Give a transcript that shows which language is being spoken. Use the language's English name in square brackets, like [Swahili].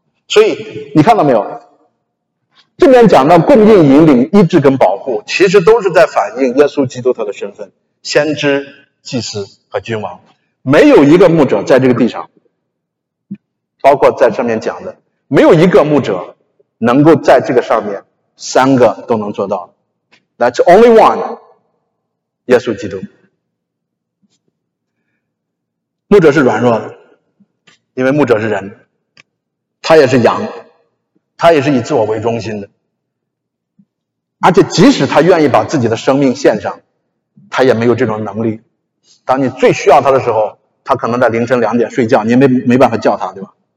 [Chinese] 所以你看到没有，这边讲到供应、引领、医治跟保护，其实都是在反映耶稣基督他的身份，先知、祭司和君王。没有一个牧者在这个地上，包括在上面讲的，没有一个牧者能够在这个上面三个都能做到。 [English] That's only one， 耶稣基督。 [Chinese] 牧者是软弱的，因为牧者是人，他也是羊，他也是以自我为中心的，而且即使他愿意把自己的生命献上，他也没有这种能力。当你最需要他的时候，他可能在凌晨2点睡觉，你也没办法叫他，对吧？